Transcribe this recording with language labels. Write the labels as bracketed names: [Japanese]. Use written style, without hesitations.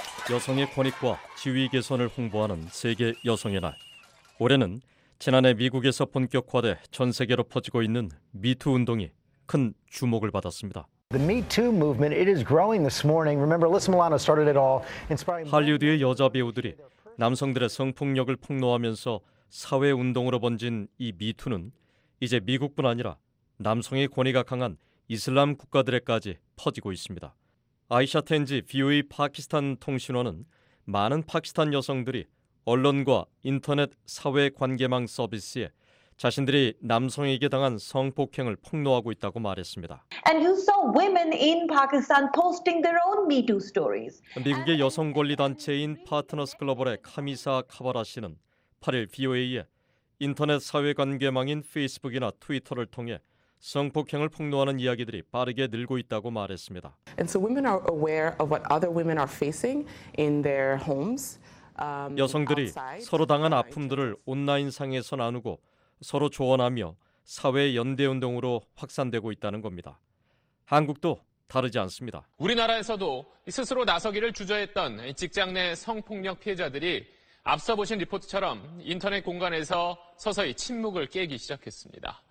[Korean] 여성의 권익과 지위 개선을 홍보하는 세계 여성의 날. 올해는 지난해 미국에서 본격화돼 전 세계로 퍼지고 있는 미투 운동이 큰 주목을 받았습니다. [English] The Me Too movement it is growing this morning. Remember, Alyssa Milano started it all. [Korean] 할리우드의 여자 배우들이 남성들의 성폭력을 폭로하면서 사회 운동으로 번진 이 미투는 이제 미국뿐 아니라 남성의 권위가 강한 이슬람 국가들에까지 퍼지고 있습니다. 아이샤 텐지 VOA 파키스탄 통신원은 많은 파키스탄 여성들이 언론과 인터넷 사회관계망 서비스에 자신들이 남성에게 당한 성폭행을 폭로하고 있다고 말했습니다. [English] And you saw women in Pakistan posting their own Me Too stories. [Korean] 미국의 여성 권리 단체인 파트너스 글로벌의 카미사 카바라 씨는 8일 VOA에 인터넷 사회관계망인 페이스북이나 트위터를 통해 성폭행을 폭로하는 이야기들이 빠르게 늘고 있다고 말했습니다. [English] And so women are aware of what other women are facing in their homes. [Korean] 여성들이 서로 당한 아픔들을 온라인상에서 나누고 서로 조언하며 사회 연대 운동으로 확산되고 있다는 겁니다. 한국도 다르지 않습니다. 우리나라에서도 스스로 나서기를 주저했던 직장 내 성폭력 피해자들이 앞서 보신 리포트처럼 인터넷 공간에서 서서히 침묵을 깨기 시작했습니다.